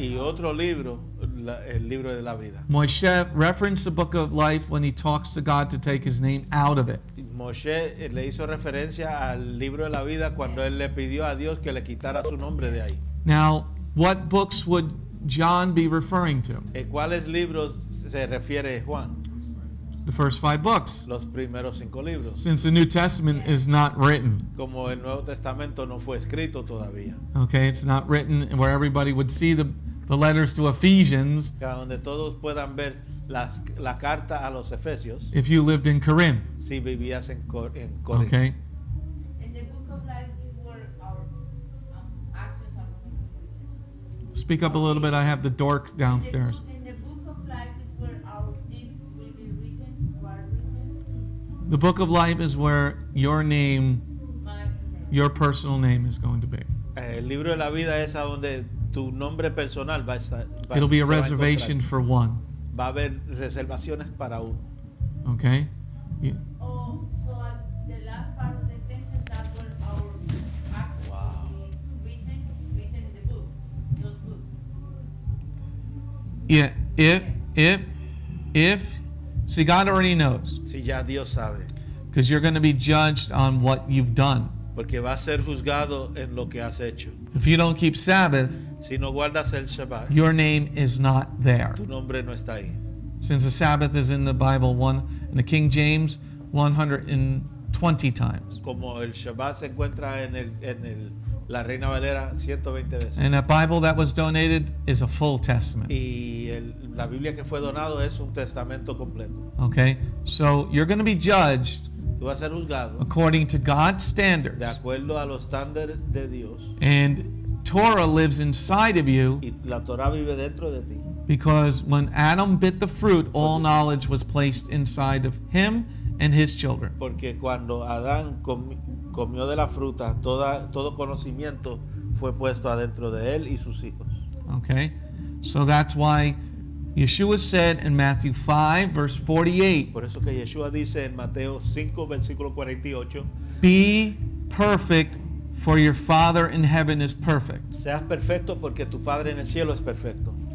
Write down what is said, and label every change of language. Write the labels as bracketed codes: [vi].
[es] Y otro libro, el libro de la vida. [en] Moshe referenced the Book of Life when he talks to God to take his name out of it. [es] Moshe le hizo referencia al libro de la vida cuando él le pidió a Dios que le quitara su nombre de ahí. [en] Now, what books would John be referring to? [es] ¿Cuáles libros se refiere Juan? [en] The first five books. [es] Los primeros cinco libros. [en] Since the New Testament is not written. [es] Como el Nuevo Testamento no fue escrito todavía. [en] Okay, it's not written where everybody would see the letters to Ephesians. [es] Donde todos puedan ver la carta a los Efesios. [en] If you lived in Corinth. [es] Si vivías en Corinto. [en] Okay. And the Book of Life is where our actions are. Speak up a little bit. I have the dork downstairs. The Book of Life is where your name, your personal name is going to be. [es] El libro de la vida es a donde tu nombre personal va a estar. [en] It'll be a reservation for one. [es] Va a haber reservaciones para uno. [en] Okay. Yeah. Oh, so the last part of the sentence, that's where our actions will be written in the books. Yeah. If. See, God already knows. [es] Si ya Dios sabe. [en] Because you're going to be judged on what you've done. [es] Porque va a ser juzgado en lo que has hecho. [en] If you don't keep Sabbath, [es] si no guardas el Shabbat, [en] your name is not there. [es] Tu nombre no está ahí. [en] Since the Sabbath is in the Bible one in the King James 120 times. [es] Como el Shabbat se encuentra en el La Reina Valera 120 veces. [en] And that Bible that was donated is a full testament. [es] Y la Biblia que fue donado es un testamento completo. [en] Okay, so you're going to be judged. [es] Tú vas a ser juzgado. [en] According to God's standards. [es] De acuerdo a los estándares de Dios. [en] And Torah lives inside of you. [es] Y la Torah vive dentro de ti. [en] Because when Adam bit the fruit, all knowledge was placed inside of him and his children. [es] Porque cuando Adán comió de la fruta, todo conocimiento fue puesto adentro de él y sus hijos. [en] Okay. So that's why Yeshua said in Matthew 5 verse 48. [es] Por eso que Yeshua dice en Mateo 5 versículo 48, [en] be perfect for your Father in heaven is perfect. [es] Seas perfecto porque tu Padre en el cielo es perfecto.